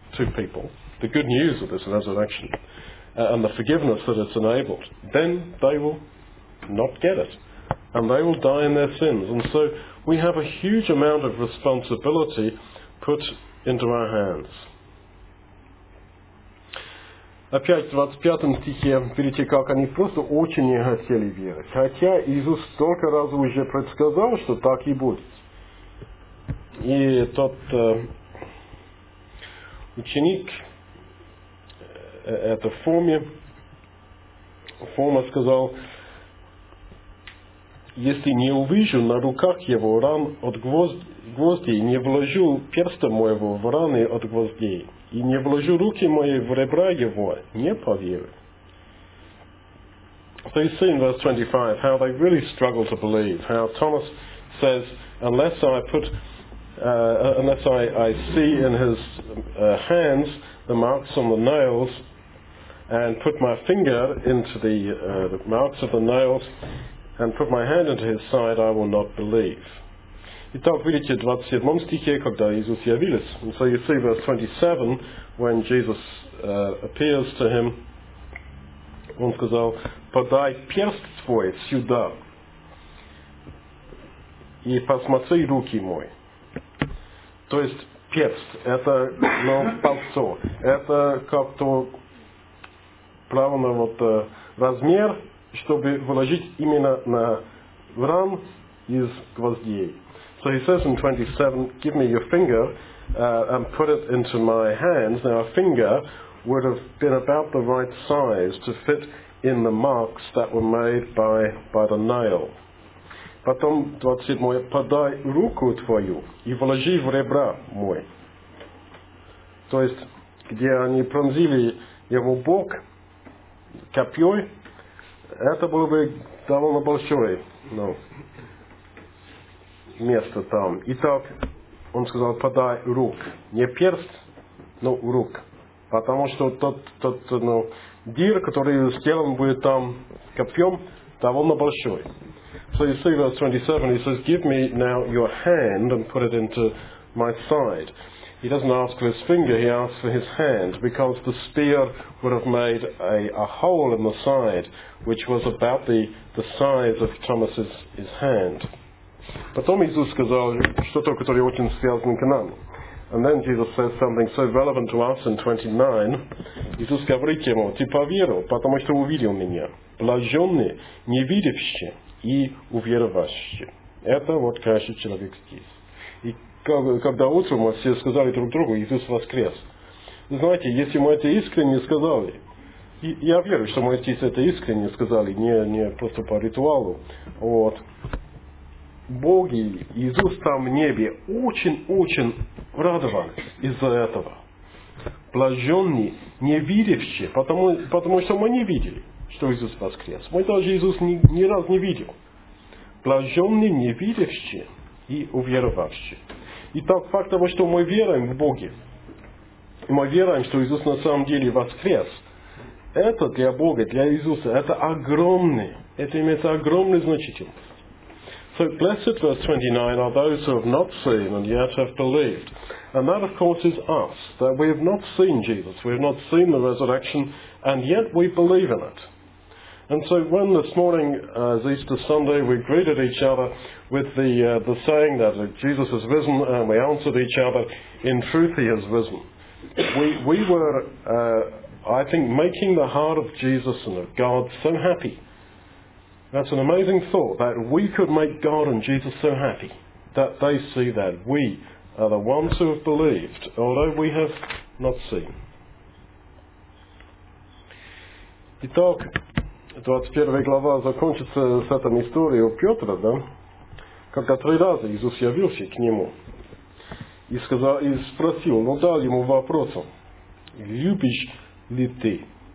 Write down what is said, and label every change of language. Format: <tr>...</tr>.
<en>to people the good news of this resurrection and the forgiveness that it's enabled, then they will not get it. And they will die in their sins. And so we have a huge amount of responsibility put into our hands.</en> <ru>Опять в 25 стихе видите, как они просто очень не хотели верить. Хотя Иисус столько раз уже предсказал, что так и будет. И тот ученик это Фома сказал, если не увижу на руках его ран от гвоздей, не вложу перста моего в раны от гвоздей, и не вложу руки мои в ребра его, не поверю.</ru> <en>So you see in verse 25 how they really struggle to believe, how Thomas says, unless I see in his hands the marks on the nails and put my finger into the marks of the nails and put my hand into his side, I will not believe.</en> <ru>Итак, видите, в 27 стихе, когда Иисус явился.</ru> <en>And so you see verse 27, when Jesus appears to him,</en> <ru>он сказал, подай перст твой сюда и посмотри руки мои. То есть перст, это, ну, пальцо, это как-то правильно вот размер, чтобы вложить именно на ран из гвоздей.</ru> <en>So he says in 27, give me your finger and put it into my hands. Now a finger would have been about the right size to fit in the marks that were made by the nail.</en> <ru>Потом 27, подай руку твою и вложи в ребра мой. То есть, где они пронзили его бок копьей, это было бы довольно большое, ну, место там. Итак, он сказал, подай рук. Не перст, но рук. Потому что тот дир, который сделан будет там копьем, довольно большой.</ru> <en>So you see verse 27, he says, give me now your hand and put it into my side. He doesn't ask for his finger, he asks for his hand, because the spear would have made a hole in the side, which was about the size of Thomas's hand.</en> <ru>Потом Иисус сказал что-то, которое очень связано к нам.</ru> <en>And then Jesus says something so relevant to us in 29.</en> <ru>Иисус говорит ему, ты поверил, потому что увидел меня. Блаженные, не видевшие и уверовавшие. Это вот каждый человек здесь. И когда утром все сказали друг другу, Иисус воскрес. Знаете, если мы это искренне сказали, я верю, что мы это искренне сказали, не просто по ритуалу, вот, Бог и Иисус там в небе очень-очень радовались из-за этого. Блаженные, не видевшие, потому что мы не видели, что Иисус воскрес. Мы даже Иисус ни разу не видел. Блаженные, не видевшие и уверовавшие. Итак, факт того, что мы веруем в Бога, мы веруем, что Иисус на самом деле воскрес, это для Бога, для Иисуса, это огромное, это имеет огромное значение.</ru> <en>So blessed, verse 29, are those who have not seen and yet have believed. And that, of course, is us, that we have not seen Jesus, we have not seen the resurrection, and yet we believe in it. And so when this morning, as Easter Sunday, we greeted each other with the saying that Jesus has risen, and we answered each other, in truth he has risen. We were, I think, making the heart of Jesus and of God so happy. That's an amazing thought, that we could make God and Jesus so happy that they see that we are the ones who have believed, although we have not seen.</en> <ru>Итак, 21 глава закончится с этой историей у Петра, да? Когда три раза Иисус явился к нему и сказал, и спросил, но дал ему вопросом, любишь ли ты?</ru>